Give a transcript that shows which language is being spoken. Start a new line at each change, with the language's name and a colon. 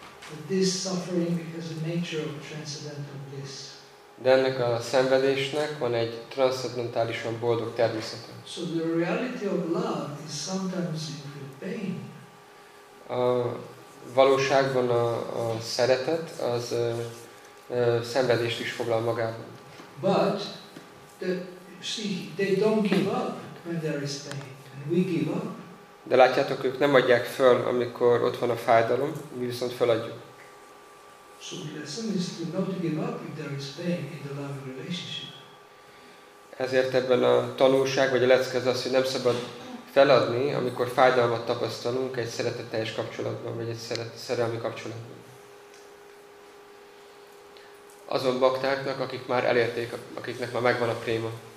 English: But this suffering has a nature of transcendental bliss.
Hungarian: De ennek a szenvedésnek van egy transzcendentálisan boldog természete.
English: So the reality of love is sometimes in pain.
Hungarian: A valóságban a szeretet az szenvedést is foglal magában.
English: But they don't give up when there is pain. We give up.
Hungarian: De látjátok, ők nem adják föl, amikor ott van a fájdalom, mi viszont feladjuk.
English: So the lesson is to not give up if there is pain in the loving relationship.
Hungarian: Ezért ebben a tanulság vagy a lecke az, hogy nem szabad feladni, amikor fájdalmat tapasztalunk egy szeretetteljes kapcsolatban, vagy egy szerelmi kapcsolatban. Azon baktáknak, akik már elérték, akiknek már megvan a préma.